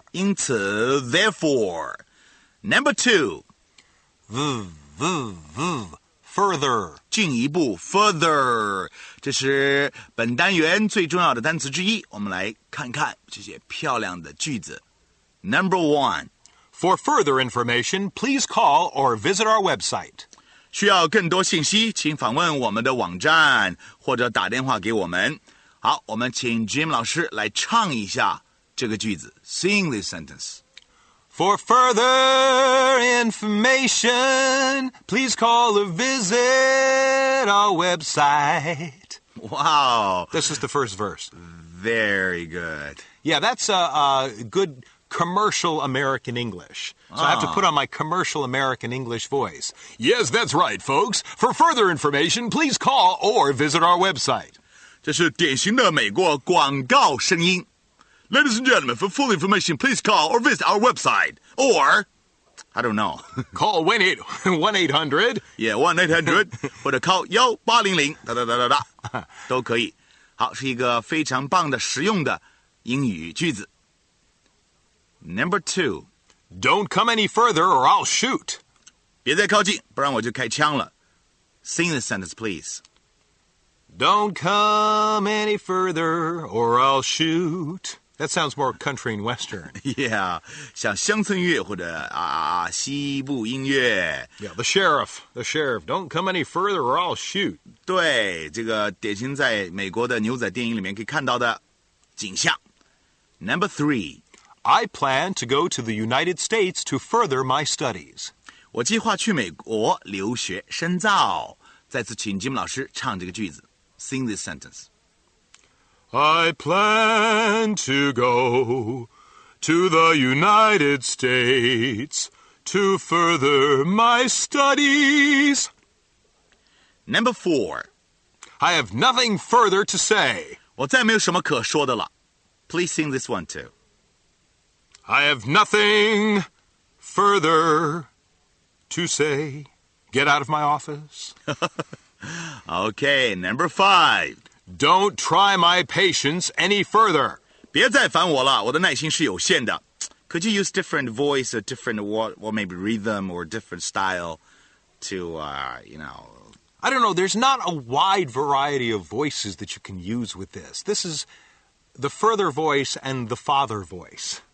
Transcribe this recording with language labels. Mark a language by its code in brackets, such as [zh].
[zh] 因此 [en] ，therefore. Number two, further. [zh] 进一步 ， [en] further. [zh] 这是本单元最重要的单词之一。我们来看看这些漂亮的句子。 [en] Number one, for further information, please call or visit our website. [zh] 需要更多信息，请访问我们的网站或者打电话给我们。好，我们请 Jim 老师来唱一下这个句子。 [en] Sing this sentence. For further information, please call or visit our website. Wow. This is the first verse. Very good. Yeah, that's a good... commercial American English. So I have to put on my commercial American English voice. Yes, that's right, folks. For further information, please call or visit our website. [zh] 这是典型的美国广告声音。 [en] Ladies and gentlemen, for full information, please call or visit our website. Or, I don't know. Call 1-800. Yeah, 1-800. [zh] 或者 [en] call 1-800. [zh] 哒哒哒哒哒。都可以。好，是一个非常棒的实用的英语句子。 [en] Number two, don't come any further or I'll shoot. [zh] 别再靠近，不然我就开枪了。 [en] Sing the sentence, please. Don't come any further or I'll shoot. That sounds more country and western. Yeah, [zh] 像乡村乐或者西部音乐。 [en] Yeah, the sheriff, don't come any further or I'll shoot. [zh] 对，这个典型在美国的牛仔电影里面可以看到的景象。 [en] Number three. I plan to go to the United States to further my studies. [zh] 我计划去美国留学深造。再次请 Jim 老师唱这个句子。 [en] Sing this sentence. I plan to go to the United States to further my studies. Number four. I have nothing further to say. [zh] 我再没有什么可说的了。 [en] Please sing this one too. I have nothing further to say. Get out of my office. Okay, number five. Don't try my patience any further. [zh] 别再烦我了，我的耐心是有限的。 [en] Could you use different voice or different, well, maybe rhythm or different style to, you know... I don't know, there's not a wide variety of voices that you can use with this. This is the further voice and the father voice.